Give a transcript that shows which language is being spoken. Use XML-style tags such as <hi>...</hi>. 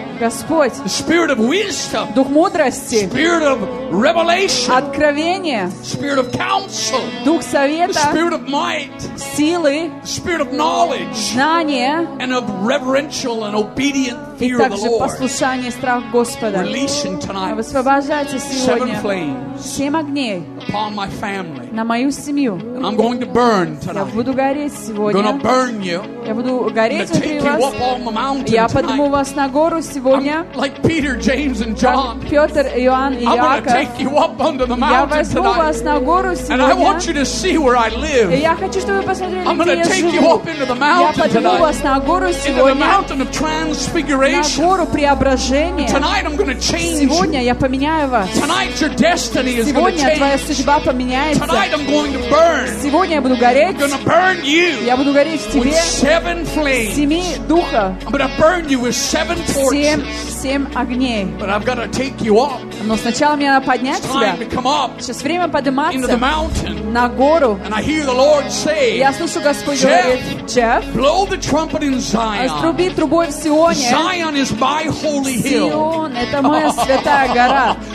<ru>Господь,</ru> <en>the Spirit of wisdom,</en> <ru>Дух мудрости,</ru> <en>Spirit of revelation,</en> <ru>откровение,</ru> <en>Spirit of counsel,</en> <ru>Дух совета,</ru> <en>Spirit of might,</en> <ru>силы,</ru> <en>Spirit of knowledge,</en> <ru>знания,</ru> <en>and of reverential and obedient fear of the Lord.</en> <ru>Послушание и страх Господа.</ru> <en>Releasing tonight.</en> <ru>Высвобождайте сегодня.</ru> <en>Seven flames. Upon my family.</en> <ru>На мою семью.</ru> <en>And I'm going to burn tonight.</en> <ru>Я буду гореть сегодня.</ru> <en>Gonna burn you.</en> <ru>Я буду гореть внутри вас.</ru> <en>Take you up on the mountain.</en> <ru>Я подниму вас на гору сегодня.</ru> <en>I'm like Peter, James, and John.</en> <ru>Петр, Иоанн и Яков.</ru> <en>I'm gonna take you up onto the mountain tonight.</en> <ru>Я возьму вас на гору сегодня.</ru> <en>And I want you to see where I live.</en> <ru>Я хочу, чтобы вы посмотрели, где я живу.</ru> <en>I'm gonna take you up into the mountain tonight.</en> <ru>Я подниму вас на гору сегодня.</ru> <en>Into the mountain of transfiguration.</en> <ru>На гору преображения.</ru> <en>Tonight I'm going to change.</en> <ru>Сегодня я поменяю вас.</ru> <en>Tonight your destiny is going to change.</en> <ru>Сегодня твоя судьба поменяется.</ru> <en>Tonight I'm going to burn.</en> <ru>Сегодня я буду гореть.</ru> <en>I'm going to burn you.</en> <ru>Я буду гореть в тебе.</ru> <en>With seven flames.</en> <ru>Семи духа.</ru> <en>I'm going to burn you with seven torches.</en> <ru>Семь огней.</ru> <en>But I've got to take you up.</en> <ru>Но сначала мне надо поднять тебя.</ru> <en>It's time to come up.</en> <ru>Сейчас время подниматься.</ru> <en>Into the mountain.</en> <ru>На гору.</ru> <en>And I hear the Lord say.</en> <ru>Я слышу Господь говорит.</ru> <en>Jeff. Blow the trumpet in Zion.</en> <ru>Раструби трубой в Сионе.</ru> <en>Zion is my holy hill.</en> <ru>Сион это моя святая гора.</ru>